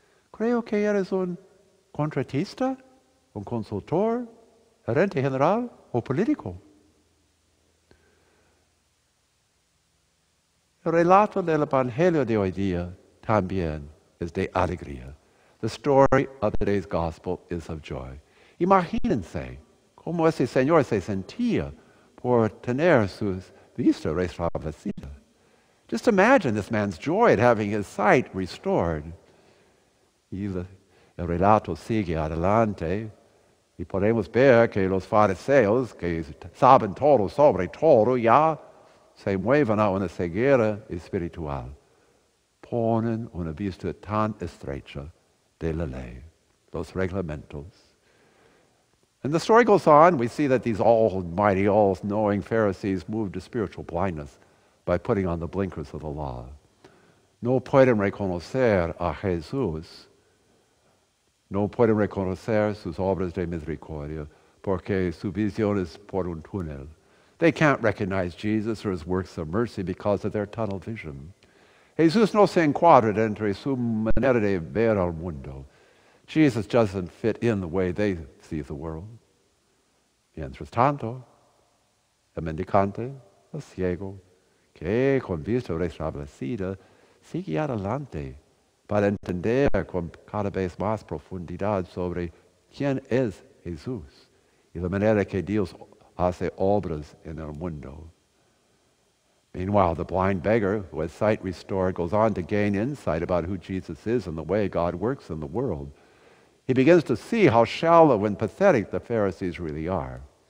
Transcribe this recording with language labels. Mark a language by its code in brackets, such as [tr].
[es] Creo que eres un contratista, un consultor, gerente general o político. El relato del Evangelio de hoy día también es de alegría. [en] The story of today's gospel is of joy. [es] Imagínense cómo ese señor se sentía por tener sus vistas restablecidas. [en] Just imagine this man's joy at having his sight restored. [es] Y el relato sigue adelante y podemos ver que los fariseos, que saben todo sobre todo, ya se mueven a una ceguera espiritual. Ponen una vista tan estrecha de la ley, los reglamentos. [en] And the story goes on. We see that these almighty, all-knowing Pharisees moved to spiritual blindness by putting on the blinkers of the law. [es] No pueden reconocer a Jesús. No pueden reconocer sus obras de misericordia porque su visión es por un túnel. [en] They can't recognize Jesus or his works of mercy because of their tunnel vision. [es] Jesús no se encuadra entre su manera de ver al mundo. [en] Jesus doesn't fit in the way they see the world. [es] Mientras tanto, el mendicante, el ciego, que con vista restablecida, sigue adelante para entender con cada vez más profundidad sobre quién es Jesús y la manera que Dios hace obras en el mundo. [en] Meanwhile, the blind beggar, who has sight restored, goes on to gain insight about who Jesus is and the way God works in the world. He begins to see how shallow and pathetic the Pharisees really are.